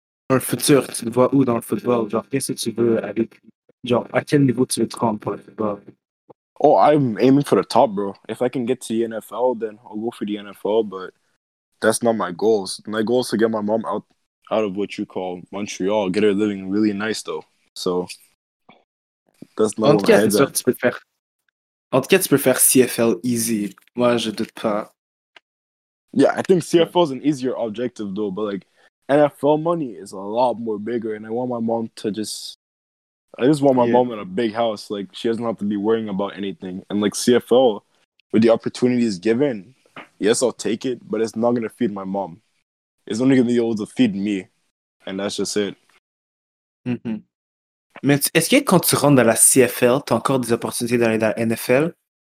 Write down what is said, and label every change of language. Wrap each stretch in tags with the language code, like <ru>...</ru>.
<fr>Dans le futur, tu te vois où dans le football? Genre, qu'est-ce que tu veux avec... Genre, à quel niveau tu veux te rendre pour le football?</fr> <en>Oh, I'm aiming for the top, bro. If I can get to the NFL, then I'll go for the NFL, but that's not my goals. My goal is to get my mom out of what you call Montreal, get her living really nice, though. So, that's not what I'm aiming for.</en> <fr>En tout cas, tu peux faire CFL easy. Moi, je doute pas.</fr> <en>Yeah, I think CFL is an easier objective, though, but like, NFL money is a lot more bigger, and I want my mom to just... I just want my mom in a big house. Like, she doesn't have to be worrying about anything. And, like, CFL, with the opportunities given, yes, I'll take it, but it's not going to feed my mom. It's only going to be able to feed me, and that's just it. Mm-hmm.</en> <fr>Mais est-ce que quand tu rentres dans la CFL, t'as encore des opportunités d'aller dans la NFL?</fr>